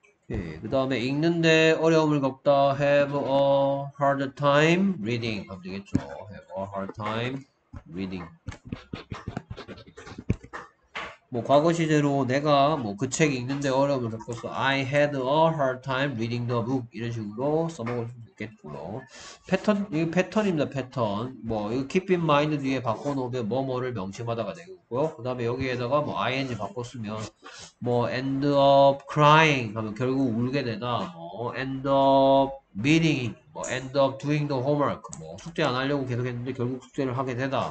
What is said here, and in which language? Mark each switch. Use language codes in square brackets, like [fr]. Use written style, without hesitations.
[ko] 예, 그 다음에 읽는데 어려움을 겪다. [en] Have a hard time reading [ko] 하면 되겠죠. [en] Have a hard time reading. [ko] 뭐 과거 시제로 내가 뭐그책 읽는데 어려움을 겪었어. [en] I had a hard time reading the book. [ko] 이런 식으로 써먹을 수 있겠고요. 패턴, 이거 패턴입니다. 패턴. 뭐 이거 [en] keep in mind [ko] 뒤에 바꿔놓으면 뭐뭐를 명심하다가 되고. 그 다음에 여기에다가 뭐 ing 바꿨으면 뭐 [en] end up crying [ko] 하면 결국 울게 되다. 뭐 end up meeting, 뭐 [en] end up doing the homework, [ko] 뭐 숙제 안 하려고 계속 했는데 결국 숙제를 하게 되다.